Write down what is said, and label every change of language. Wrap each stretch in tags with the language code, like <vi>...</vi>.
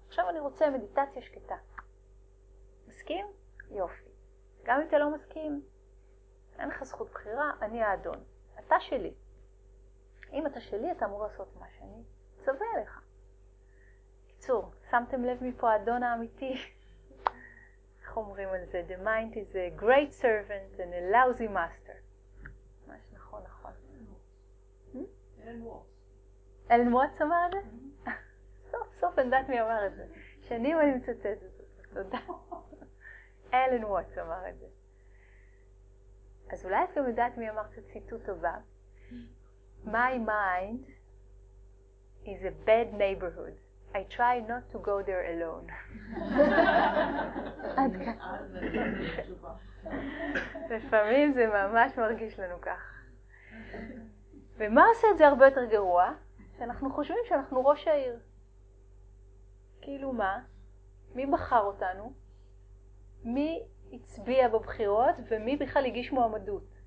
<he>עכשיו אני רוצה מדיטציה שקטה. מסכים? יופי. גם אם אתה לא מסכים, אין לך זכות בחירה, אני האדון. אתה שלי. אם אתה שלי, אתה אמור לעשות מה שאני צווה עליך. קיצור, שמתם לב מפה האדון האמיתי? איך אומרים על זה?</he> <en>The mind is a great servant and a lousy master.</en> <he>ממש נכון, נכון. אלן וואטס אמר את זה? סוף סוף אני יודעת מי אמר את זה. שנים אני מצטטת את זה. תודה. אלן וואטס אמר את זה. אז אולי את גם יודעת מי אמר את הציטוט הבא.</he> <en>My mind is a bad neighborhood. I try not to go there alone.</en> <he>עד כאן. לפעמים זה ממש מרגיש לנו כך. ומה עושה את זה הרבה יותר גרוע? שאנחנו חושבים שאנחנו ראש העיר. כאילו מה? מי בחר אותנו? מי הצביע בבחירות ומי בכלל הגיש מועמדות?</he>